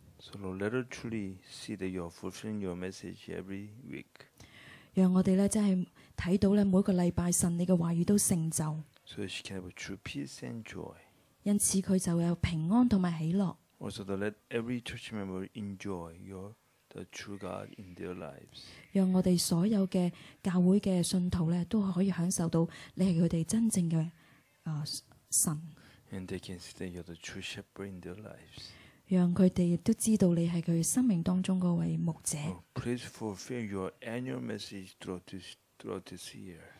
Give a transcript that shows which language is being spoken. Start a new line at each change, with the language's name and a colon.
English: So Lord, let her truly see that you are fulfilling your message every week.
Cantonese: 讓我哋咧真係睇到咧每個禮拜神你嘅話語都成就。
English: So she can have a true peace and joy.
Cantonese: 因此佢就有平安同埋喜樂。
English: Also, let every church member enjoy your the true God in their lives.
Cantonese: 讓我哋所有嘅教會嘅信徒咧，都可以享受到你係佢哋真正嘅神。
English: And they can see that you're the true shepherd in their lives.
Cantonese: 讓佢哋亦都知道你係佢生命當中嗰位牧者。
English: Please fulfill your annual message throughout this year.